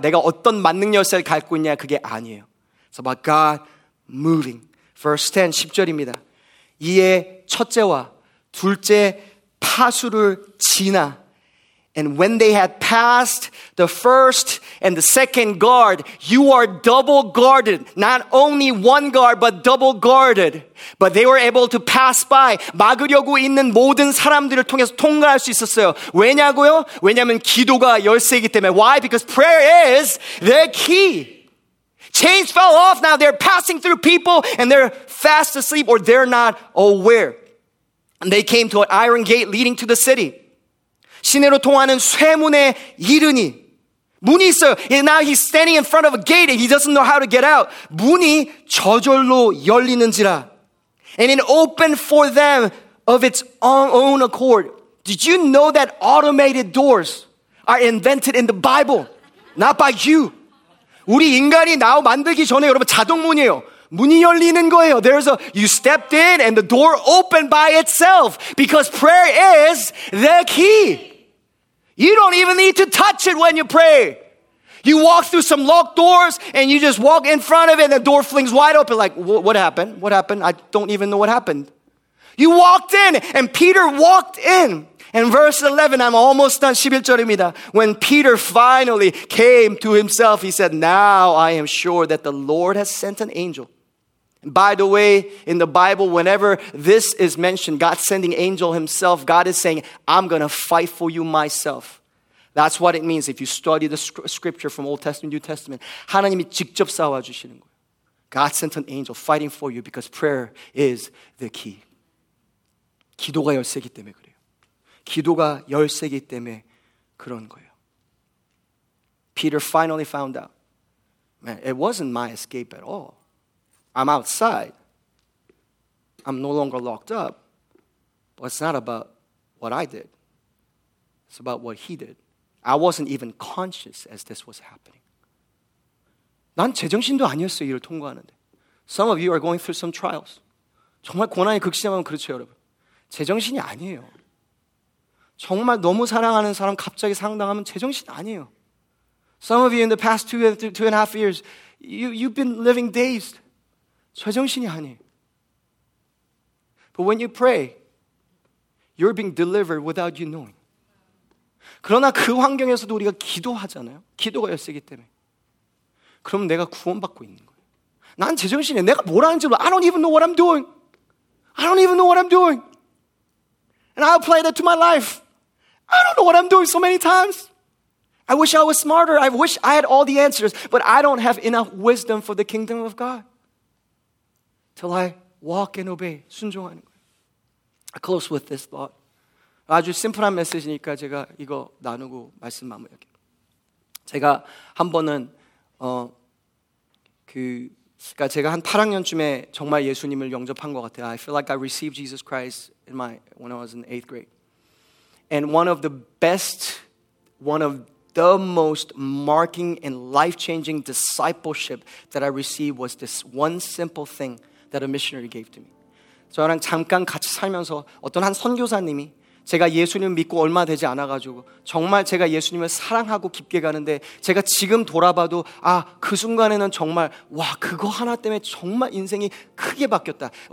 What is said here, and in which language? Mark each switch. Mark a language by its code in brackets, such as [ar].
[ko] 내가 어떤 만능 열쇠를 갖고 있냐, 그게 아니에요. [en] It's about God moving. Verse 10, [ko] 10절입니다. 이에 첫째와 둘째 파수를 지나. [en] And when they had passed the first and the second guard, you are double guarded. Not only one guard, but double guarded. But they were able to pass by. [ko] 막으려고 있는 모든 사람들을 통해서 통과할 수 있었어요. 왜냐고요? 왜냐면 기도가 열쇠이기 때문에. [en] Why? Because prayer is the key. Chains fell off. Now they're passing through people and they're fast asleep or they're not aware. And they came to an iron gate leading to the city. [ko] 시내로 통하는 쇠문에 이르니 문이 있어요. [en] And now he's standing in front of a gate and he doesn't know how to get out. [ko] 문이 저절로 열리는지라. [en] And it opened for them of its own accord. Did you know that automated doors are invented in the Bible? Not by you. [ko] 우리 인간이 나와 만들기 전에 여러분 자동문이에요. 문이 열리는 거예요. [en] There's a, you stepped in and the door opened by itself because prayer is the key. You don't even need to touch it when you pray. You walk through some locked doors and you just walk in front of it and the door flings wide open like, what happened? What happened? I don't even know what happened. You walked in and Peter walked in. And verse 11, I'm almost done, [ko] 11절입니다. [en] When Peter finally came to himself, he said, now I am sure that the Lord has sent an angel. By the way, in the Bible, whenever this is mentioned, God sending angel himself, God is saying, I'm going to fight for you myself. That's what it means if you study the scripture from Old Testament, New Testament. [ko] 하나님이 직접 싸워주시는 거예요. [en] God sent an angel fighting for you because prayer is the key. [ko] 기도가 열쇠이기 때문에 그래요. 기도가 열쇠이기 때문에 그런 거예요. [en] Peter finally found out. Man, it wasn't my escape at all. I'm outside. I'm no longer locked up. But it's not about what I did. It's about what he did. I wasn't even conscious as this was happening. [ko] 난 제정신도 아니었어요, 이를 통과하는데. [en] Some of you are going through some trials. [ko] 정말 고난이 극심하면 그렇죠, 여러분. 제정신이 아니에요. 정말 너무 사랑하는 사람 갑자기 상담하면 제정신 아니에요. [en] Some of you in the past two and a half years, you've been living dazed. [ko] 제정신이 아니에요. [en] But when you pray, you're being delivered without you knowing. [ko] 그러나 그 환경에서도 우리가 기도하잖아요. 기도가 열쇠이기 때문에. 그럼 내가 구원받고 있는 거예요. 난 제정신이에요. 내가 뭘 하는지 몰라. [en] I don't even know what I'm doing. I don't even know what I'm doing. And I apply that to my life. I don't know what I'm doing so many times. I wish I was smarter. I wish I had all the answers. But I don't have enough wisdom for the kingdom of God. Till I walk and obey. [ko] 순종하는 거예요. [en] I close with this thought. [ko] 아주 심플한 메시지니까 제가 이거 나누고 말씀 마무리할게요. 제가 한 번은 그러니까 제가 한 8학년쯤에 정말 예수님을 영접한 것 같아요. [en] I feel like I received Jesus Christ when I was in 8th grade. And one of the most marking and life-changing discipleship that I received was this one simple thing that a missionary gave to me. [ko] 저랑 잠깐 같이 살면서 어떤 한 선교사님이 제가 예수님 믿고 얼마 되지 않아가지고 정말 제가 예수님을 사랑하고 깊게 가는데 제가 지금 돌아봐도 아, 그 순간에는 정말 와, 그거 하나 때문에 정말 인생이 크게 바뀌었다.